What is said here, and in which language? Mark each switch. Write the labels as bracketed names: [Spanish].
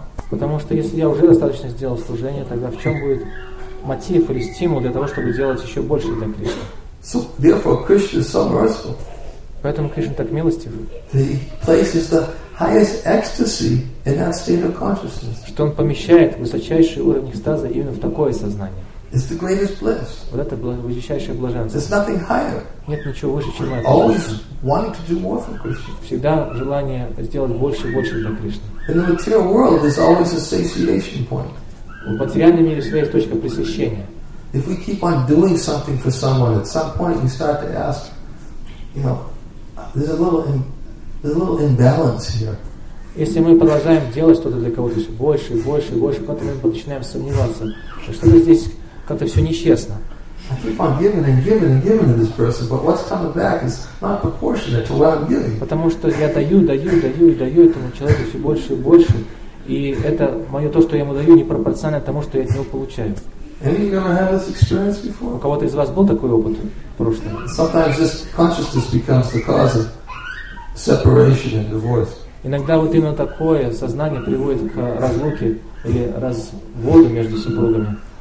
[Russian] Потому что если я уже достаточно сделал служение, тогда в чем будет мотив или стимул для того, чтобы делать еще больше для Кришны? [English] So therefore, Krishna is so merciful. [Russian] Поэтому Кришна так милостив. [English] He places the highest ecstasy in that state of consciousness. [Russian] Что он помещает высочайший уровень экстаза именно в такое сознание. [English] It's the greatest bliss. [Russian] Вот это высочайшее блаженство. [English] There's nothing higher. [Russian] Нет ничего выше, чем это. [English] Always wanting to do more for Krishna. [Russian] Всегда желание сделать больше и больше для Кришны. [English] In the material world, there's always a satiation point. [Russian] В материальном мире всегда есть точка пресыщения. [English] If we keep on doing something for someone, at some point we start to ask, you know, there's a little imbalance here. [Russian] Если мы продолжаем делать что-то для кого-то все больше и больше и больше, потом мы начинаем сомневаться, что-то здесь как-то все нечестно. [English] I keep on giving and giving and giving to this person, but what's coming back is not proportionate to what I'm giving. [Russian] Потому что я даю этому человеку все больше и больше, и это мое то, что я ему даю, не пропорционально тому, что я от него получаю. [English] Any of you ever had this experience before? [Russian] У кого-то из вас был такой опыт в прошлом? [English] Sometimes this consciousness becomes the cause of separation and divorce. [Russian] Иногда вот именно такое сознание приводит к разлуке или разводу между супругами.